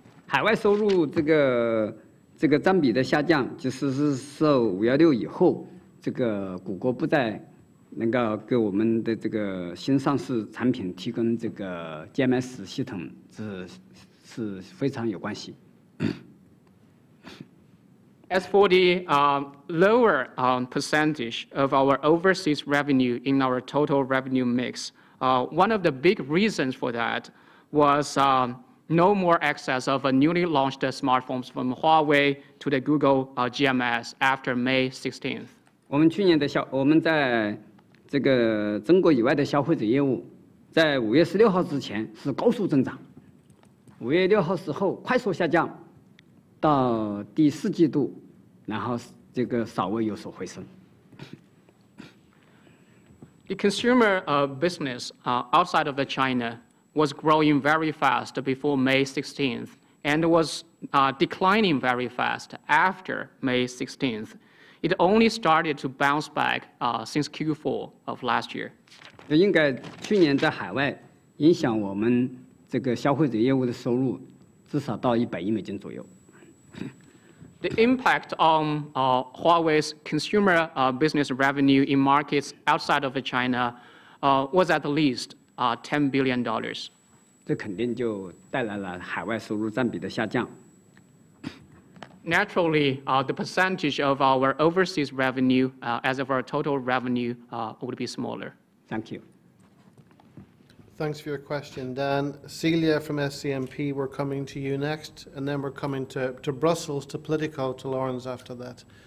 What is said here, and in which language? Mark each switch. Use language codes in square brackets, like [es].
[zh] 海外收入这个占比的下降，就是受516以后，这个谷歌不再。能够给我们的这个新上市产品提供这个 GMS 系统 是非常有关系。 [en] As for the lower percentage of our overseas revenue in our total revenue mix, one of the big reasons for that was no more access of a newly launched smartphones from Huawei to the Google GMS after May 16th. [zh] 我们在这个中国以外的消费者业务在5月16号之前是高速增长，5月6号之后快速下降，到第四季度然后这个稍微有所回升。 [en] The consumer business outside of China was growing very fast before May 16th and was declining very fast after May 16th. It only started to bounce back since Q4 of last year. [zh] 应该去年在海外影响我们这个消费者业务的收入至少到100亿美金左右。 [en] The impact on Huawei's consumer business revenue in markets outside of China was at least $10 billion. [zh] 这肯定就带来了海外收入占比的下降。 [en] Naturally, the percentage of our overseas revenue as of our total revenue would be smaller. Thank you. Thanks for your question, Dan. Celia from SCMP, we're coming to you next, and then we're coming to Brussels, to Politico, to Lawrence after that.